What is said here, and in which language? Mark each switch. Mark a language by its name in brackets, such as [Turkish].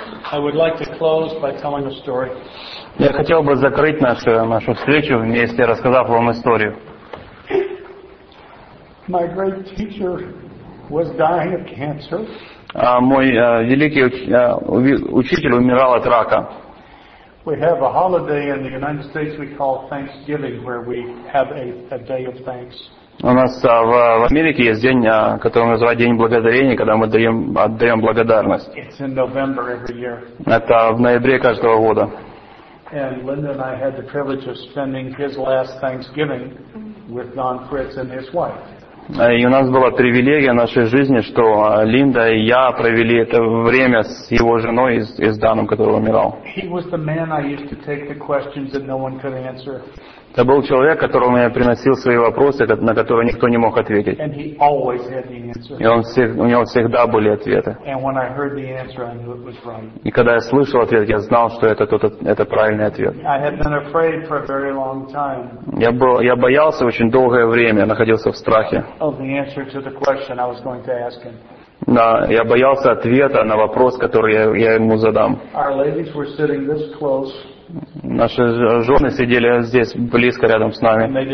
[English] I would like to close by telling a story. [Russian] Я хотел бы закрыть нашу встречу вместе, рассказав вам историю. [English] My great teacher was dying of cancer. [Russian] Мой великий учитель умирал от рака. [English] We have a holiday in the United States we call Thanksgiving, where we have a day of thanks. [Russian] У нас в Америке есть день, который называют День Благодарения, когда мы отдаем благодарность. [English] It's in November every year. [Russian] Это в ноябре каждого года. [English] And Linda and I had the privilege of spending his last Thanksgiving with Don Fritz and his wife. [Russian] И у нас была привилегия в нашей жизни, что Линда и я провели это время с его женой и с Даном, который умирал. [English] He was the man I used to take the questions that no one could answer. [Russian] Это был человек, которому я приносил свои вопросы, на которые никто не мог ответить. [English] And he always had the answer. [Russian] И у него всегда были ответы. [English] And when I heard the answer, I knew it was right. [Russian] И когда я слышал ответ, я знал, что это правильный ответ. [English] I had been afraid for a very long time. [Russian] Я боялся очень долгое время, находился в страхе. [English] Of the answer to the question I was going to ask him. [Russian] Да, я боялся ответа на вопрос, который я ему задам. [English] Our ladies were sitting this close. [Russian] Наши жены сидели здесь близко рядом с нами.